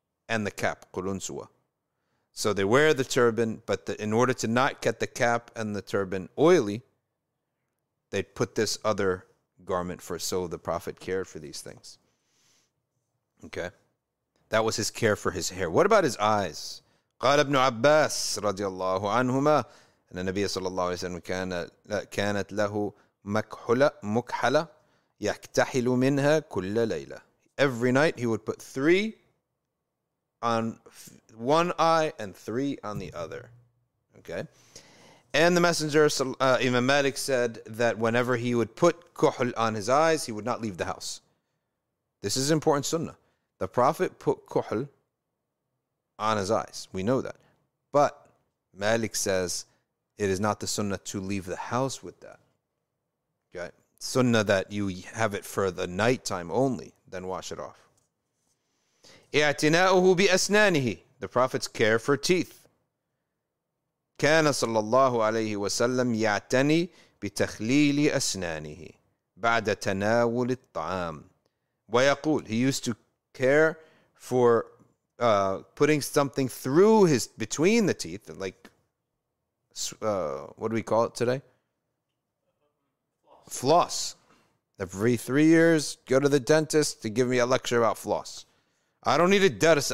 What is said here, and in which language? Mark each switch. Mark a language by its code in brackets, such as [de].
[en] And the cap, قُلُنْسُوَ. So they wear the turban, but in order to not get the cap and the turban oily, they put this other garment for, so the Prophet cared for these things. Okay? That was his care for his hair. What about his eyes? [ar] قال ابن عباس رضي الله عنهما أن النبي صلى الله عليه وسلم كانت له مكحلة يكتحل منها كل ليلة. [en] Every night he would put three on one eye and three on the other. Okay. And the Messenger, Imam Malik, said that whenever he would put kuhl on his eyes, he would not leave the house. This is important sunnah. The Prophet put kuhl on his eyes. We know that. But Malik says it is not the sunnah to leave the house with that. Okay. Sunnah that you have it for the nighttime only, then wash it off. [ar] اعتناؤه بأسنانه. [en] The Prophet's care for teeth. [ar] كان صلى الله عليه وسلم يعتني بتخليل أسنانه بعد تناول الطعام ويقول. [en] He used to care for putting something through his between the teeth, like what do we call it today? Floss. Every 3 years, go to the dentist to give me a lecture about floss. I don't need a dentist.